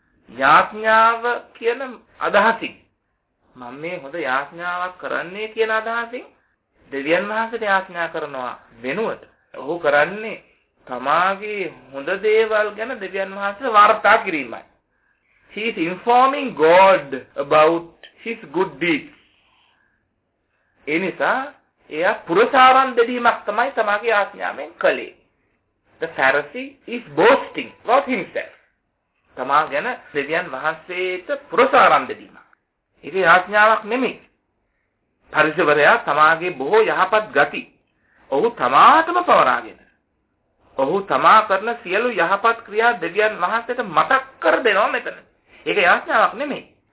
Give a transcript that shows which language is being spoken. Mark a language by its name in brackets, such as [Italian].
[Sinhala] යාඥාව කියන අදහසින්, මම මේ හොඳ යාඥාවක් කරන්නේ කියන අදහසින් දෙවියන් වහන්සේට යාඥා කරනවා වෙනුවට ඔහු කරන්නේ තමාගේ හොඳ දේවල් ගැන දෙවියන් වහන්සේට වාර්තා කිරීමයි. [English] He is informing God about his good deeds. [Sinhala] එනිසා එයා පුරසාරම් දෙදීමක් තමයි තමාගේ ආඥාවෙන් කළේ. [English] The Pharisee is boasting about himself. [Sinhala] තමා ගැන දෙවියන් වහන්සේට පුරසාරම් දෙදීමක්. ඒක ආඥාවක් නෙමෙයි. පරිසවරයා තමාගේ බොහෝ යහපත් ගති ඔහු තමාටම පවරාගෙන ඔහු තමා කරන සියලු යහපත් ක්‍රියා දෙවියන් වහන්සේට මතක් කර දෙනවා මෙතන. ඒක යාඥාවක් නෙමෙයි.